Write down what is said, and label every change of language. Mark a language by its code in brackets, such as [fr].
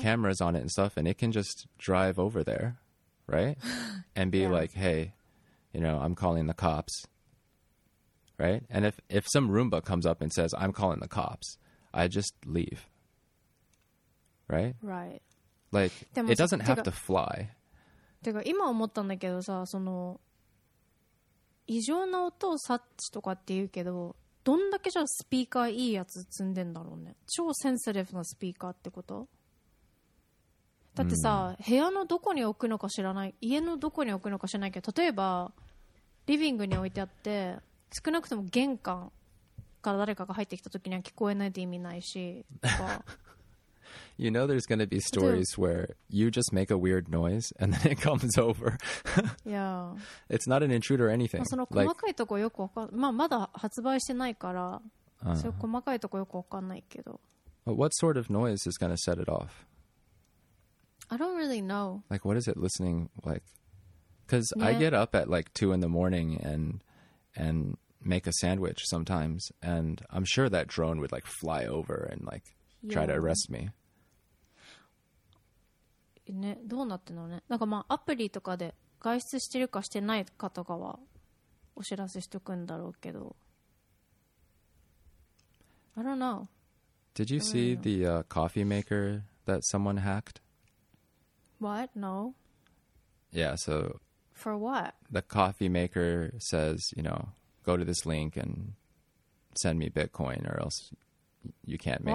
[en] Cameras on it and stuff, and it can just drive over there, right? And be like, hey, you know, I'm calling the cops, right? And if some Roomba comes up and says, I'm calling the cops, I just leave, right? Right. Like, it doesn't have to fly. [ja] てか、今思ったんだけどさ、その、異常な音を察知とかっていうけど、どんだけじゃあスピーカーいいやつ積んでんだろうね。超センシティブなスピーカーってこと？だってさ、部屋のどこに置くのか知らない、家のどこに置くのか知らないけど、例えばリビングに置いてあって、少なくとも玄関から誰かが入ってきた時には聞こえないって意味ないし、とか。 [en] You know there's gonna be stories where you just make a weird noise and then it comes over. Yeah. It's not an intruder or anything. [ja] その細かいとこよくわかん、まあまだ発売してないから、そういう細かいとこよくわかんないけど。 [en] But what sort of noise is gonna set it off? I don't really know. Like what is it listening like? Because yeah. I get up at like 2 in the morning and make a sandwich sometimes, and I'm sure that drone would like fly over and like try to arrest me. [ja] ね、どうなってんのね。なんかまあアプリとかで外出してるかしてないかとかはお知らせしとくんだろうけど。 [en] I don't know. Did you see the、coffee maker that someone hacked? What? No. Yeah, so... For what? The coffee maker says, you know, go to this link and send me Bitcoin or else you can't make、